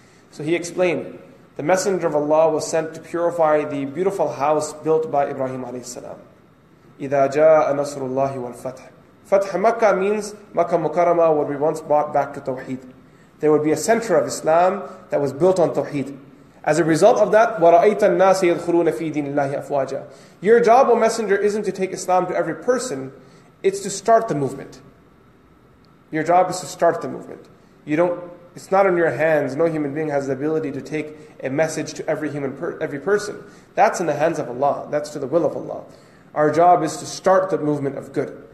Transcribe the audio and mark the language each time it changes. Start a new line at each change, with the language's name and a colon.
English: So he explained, the Messenger of Allah was sent to purify the beautiful house built by Ibrahim alayhi salam.
Arabic: إِذَا جَاءَ نَصْرُ اللَّهِ وَالْفَتْحِ.
English: Fath Makkah means Makkah Mukarramah would be once brought back to Tawheed. There would be a center of Islam that was built on Tawheed. As a result of that,
Arabic: وَرَأَيْتَ النَّاسِ يَدْخُلُونَ فِي دِينِ اللَّهِ أَفْوَاجًا.
English: Your job, O Messenger, isn't to take Islam to every person, it's to start the movement. Your job is to start the movement. You don't. It's not in your hands. No human being has the ability to take a message to every person. That's in the hands of Allah. That's to the will of Allah. Our job is to start the movement of good.